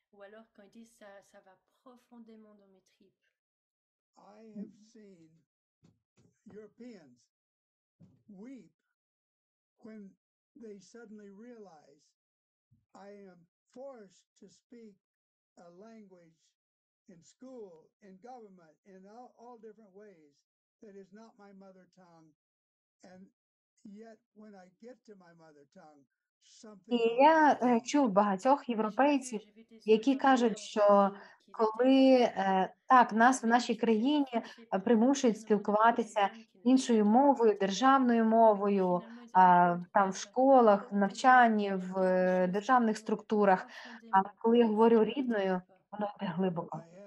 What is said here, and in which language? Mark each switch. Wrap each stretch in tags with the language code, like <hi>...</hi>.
<fr>Alors quand il dit ça, ça va profondément dans mes tripes.</fr> <en>I have seen Europeans weep when they suddenly realize I am forced to speak a language in school, in government, in all different ways that is not my mother tongue, and yet when I get to my mother tongue,</en> <uk>і я чув багатьох європейців, які кажуть, що коли так, нас в нашій країні примушують спілкуватися іншою мовою, державною мовою, там в школах, в навчанні, в державних структурах, а коли я говорю рідною, воно йде глибоко.</uk>